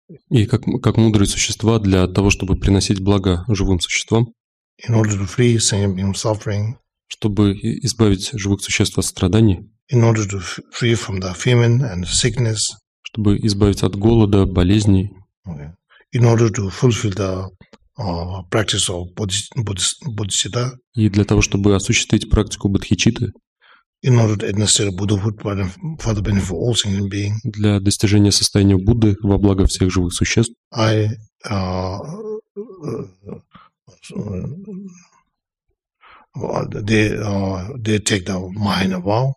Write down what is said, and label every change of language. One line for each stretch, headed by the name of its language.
Russian: И как мудрые существа для того, чтобы приносить благо живым существам.
English: In order to free sentient being from suffering.
Russian: Чтобы избавить живых существ от страданий.
English: In order to free from the famine and sickness.
Russian: Чтобы избавиться от голода, болезней.
English: Okay. In order to fulfill the practice of bodhicitta.
Russian: И для того, чтобы осуществить практику бодхичитты.
English: In order to administer Buddhahood for the benefit of all sentient beings.
Russian: Для достижения состояния Будды во благо всех живых существ.
English: I they take the Mahayana vow.